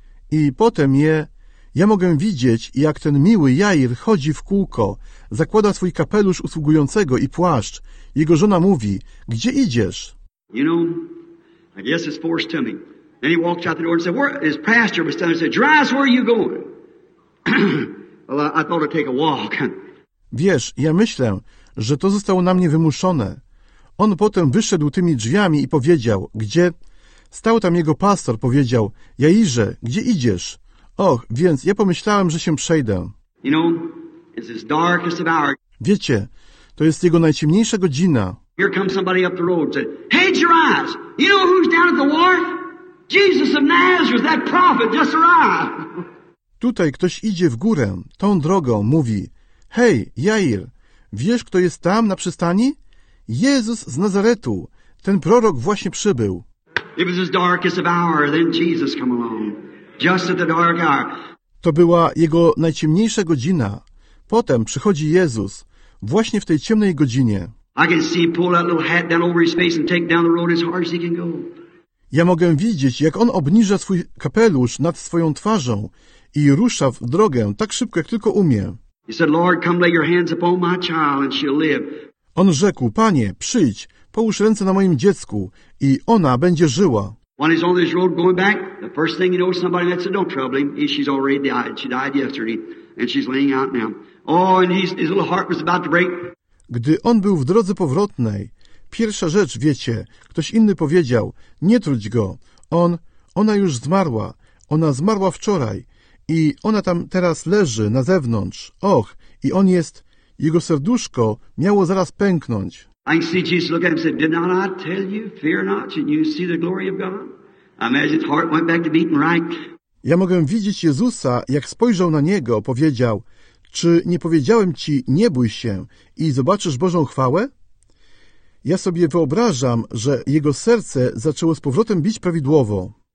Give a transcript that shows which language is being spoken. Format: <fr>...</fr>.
<pl>I potem ja mogę widzieć, jak ten miły Jair chodzi w kółko, zakłada swój kapelusz usługującego i płaszcz. Jego żona mówi, gdzie idziesz?</pl> <en>You know, I guess it's forced to me. Then he walks out the door and said, where is pastor? But he said, Jairus, where are you going? Well, I thought I'd take a walk.</en> <pl>Wiesz, ja myślę, że to zostało na mnie wymuszone. On potem wyszedł tymi drzwiami i powiedział, gdzie? Stał tam jego pastor, powiedział, Jairze, gdzie idziesz? Och, więc ja pomyślałem, że się przejdę.</pl> <en>You know, it's as dark as the hour.</en> <pl>Wiecie, to jest jego najciemniejsza godzina.</pl> <en>Here comes somebody up the road and said, hey, Jairus, you know who's down at the wharf? Jesus of Nazareth, that prophet just arrived.</en> <pl>Tutaj ktoś idzie w górę, tą drogą, mówi, hej, Jair, wiesz, kto jest tam na przystani? Jezus z Nazaretu, ten prorok właśnie przybył.</pl> <en>It was as dark as the hour, then Jesus come along, just at the dark hour.</en> <pl>To była jego najciemniejsza godzina. Potem przychodzi Jezus, właśnie w tej ciemnej godzinie.</pl> <en>I can see him pull that little hat down over his face and take down the road as hard as he can go.</en> <pl>Ja mogę widzieć, jak on obniża swój kapelusz nad swoją twarzą i rusza w drogę tak szybko, jak tylko umie.</pl> <en>He said, Lord, come lay your hands upon my child and she'll live.</en> <pl>On rzekł, Panie, przyjdź, połóż ręce na moim dziecku i ona będzie żyła.</pl> <en>When he's on this road going back, the first thing you know, somebody that said, don't trouble him, she's already died. She died yesterday and she's laying out now. Oh, and his little heart was about to break.</en> <pl>Gdy on był w drodze powrotnej, pierwsza rzecz, wiecie, ktoś inny powiedział, nie truć go, ona już zmarła, ona zmarła wczoraj i ona tam teraz leży na zewnątrz, och, i on jest, jego serduszko miało zaraz pęknąć.</pl> <en>I see Jesus look at him and said, did not I tell you, fear not, and you see the glory of God? I imagine his heart went back to beating right.</en> <pl>Ja mogę widzieć Jezusa, jak spojrzał na niego, powiedział, czy nie powiedziałem ci, nie bój się i zobaczysz Bożą chwałę? Ja sobie wyobrażam, że jego serce zaczęło z powrotem bić prawidłowo.</pl>